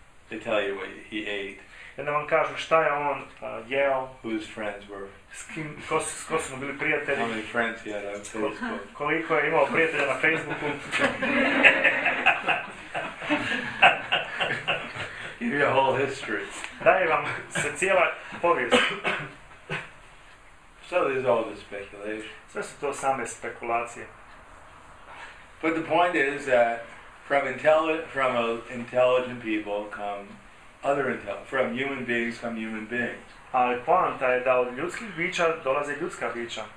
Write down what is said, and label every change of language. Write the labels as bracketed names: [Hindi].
[English] They tell you what he ate. [Bosnian] I onda vam kažu šta je on jeo. [English] Who his friends were. [Bosnian] S kim, ko su mu bili prijatelji. [English] How many friends he had on Facebook. [Bosnian] Koliko je imao prijatelja na Facebooku. [English] Give you a whole history. [Bosnian] Daje vam se cijela povijest. [English] So this is all the speculation. [Bosnian] Sve su to same spekulacije. [English] But the point is that from intelligent people come other from human beings come human beings. [Bosnian] Ali poanta je da od ljudskih bića dolaze ljudska bića.